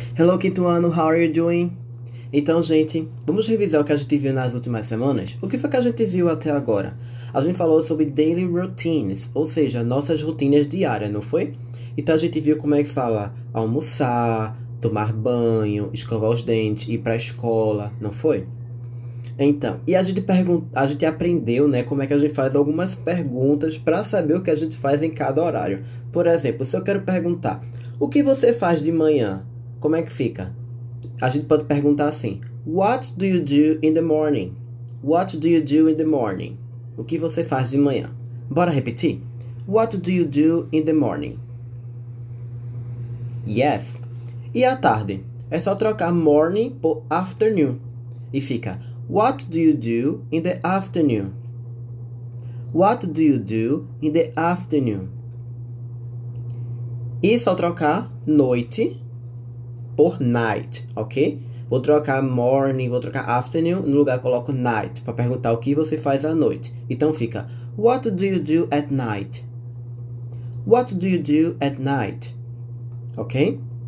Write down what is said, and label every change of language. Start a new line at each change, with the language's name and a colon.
English: Hello,
Portuguese: quinto ano,
English: how are you doing?
Portuguese: Então, gente, vamos revisar o que a gente viu nas últimas semanas? O que foi que a gente viu até agora? A gente falou sobre daily routines, ou seja, nossas rotinas diárias, não foi? Então, a gente viu como é que fala almoçar, tomar banho, escovar os dentes, ir pra escola, não foi? Então, e a gente aprendeu, né, como é que a gente faz algumas perguntas para saber o que a gente faz em cada horário. Por exemplo, se eu quero perguntar, o que você faz de manhã? Como é que fica? A gente pode perguntar assim:
English: What do you do in the morning? What do you do in the morning?
Portuguese: O que você faz de manhã? Bora repetir?
English: What do you do in the morning?
Portuguese: Yes. E à tarde? É só trocar morning por afternoon. E fica:
English: What do you do in the afternoon? What do you do in the afternoon?
Portuguese: E só trocar noite por night, ok? Vou trocar morning, vou trocar afternoon, no lugar eu coloco night, para perguntar o que você faz à noite. Então fica:
English: What do you do at night? What do you do at night? Ok?